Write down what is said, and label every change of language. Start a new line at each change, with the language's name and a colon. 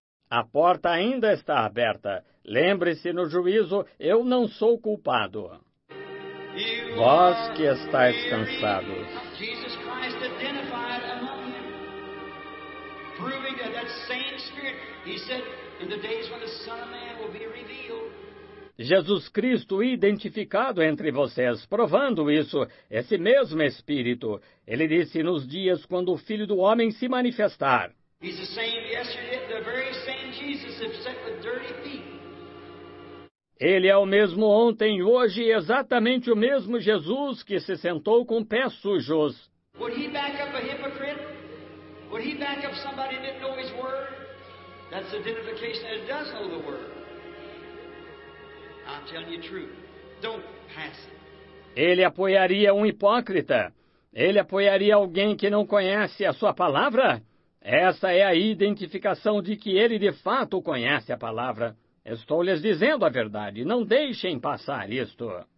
Portuguese: A porta ainda está aberta. Lembre-se, no juízo, eu não sou culpado. Vós que estáis cansados.
English: Jesus Christ identified among you, proving that that same Spirit, he said, in the days when the Son of Man will be revealed.
Portuguese: Jesus Cristo identificado entre vocês, provando isso, esse mesmo Espírito. Ele disse nos dias quando o Filho do Homem se manifestar.
English: He's the same yesterday, the very same Jesus except with dirty feet.
Portuguese: Ele é o mesmo ontem, hoje, exatamente o mesmo Jesus que se sentou com pés sujos.
English: Would he back up a hypocrite? Would he back up somebody that knows his word? That's identification that does know the word. I'm telling you the truth. Don't
Portuguese: Ele apoiaria um hipócrita? Ele apoiaria alguém que não conhece a sua palavra? Essa é a identificação de que ele de fato conhece a palavra. Estou lhes dizendo a verdade. Não deixem passar isto.